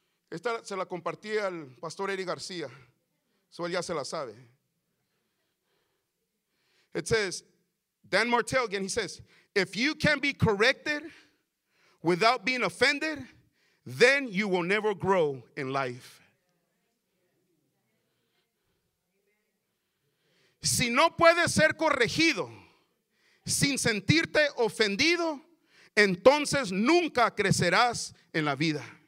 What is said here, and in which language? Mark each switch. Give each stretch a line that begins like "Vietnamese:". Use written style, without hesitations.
Spanish: Esta se la compartí al pastor Eric García. So él ya se la sabe.
English: It says, Dan Martell again, he says, if you can be corrected without being offended, then you will never grow in life.
Spanish: Si no puedes ser corregido sin sentirte ofendido, entonces nunca crecerás en la vida.